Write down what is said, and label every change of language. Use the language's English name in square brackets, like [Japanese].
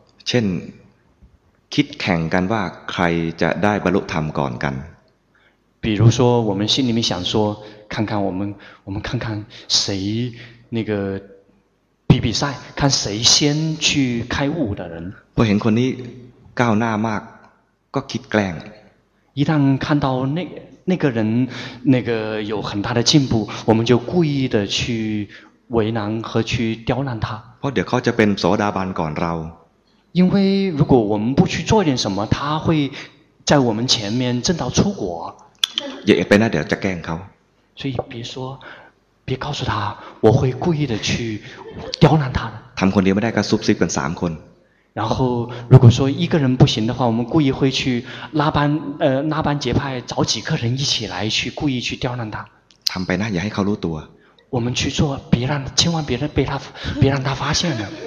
[Thai] เช่นคิดแข่งกันว่าใครจะได้บรรลุธรรมก่อนกัน [Chinese] 比如说我们心里面想说看看我们看看谁那个比赛看谁先去开悟的人 [Thai] พอเห็นคนนี้ก้าวหน้ามากก็คิดแกล้ง [Chinese] 一旦看到那个人那个有很大的进步我们就故意的去为难和去刁难他 [Thai] เพราะเดี๋ยวเขาจะเป็นโสดาบันก่อนเรา [Chinese] 因为如果我们不去做点什么，他会在我们前面证到出果。也别那点再干他。所以别说，别告诉他，我会故意的去刁难他的。 [Thai] ทำคนเดียวไม่ได้ก็ซุบซิบกันสามคน。 [Chinese] 然后如果说一个人不行的话，我们故意会去拉帮结派，找几个人一起来去故意去刁难他。 [Thai] ทำไปนะอย่าให้เขารู้ตัว。 [Chinese] 我们去做，千万别让他发现了。